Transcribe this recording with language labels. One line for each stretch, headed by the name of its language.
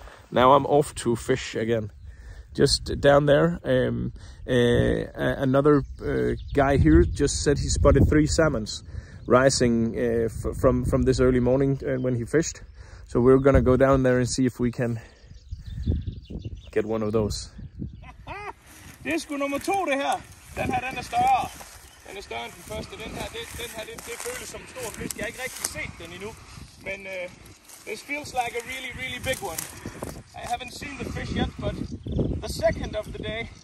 English: Now I'm off to fish again. Just down there, another guy here just said he spotted three salmons rising from this early morning when he fished. So we're gonna go down there and see if we can get one of those.
Danish: Det er sgu nummer to, det her. Den her, den er større. Den er større end den første. Den her, det føles som en stor fisk. Jeg har ikke rigtig set den endnu.
English: Men this feels like a really, really big one. I haven't seen the fish yet, but the second of the day.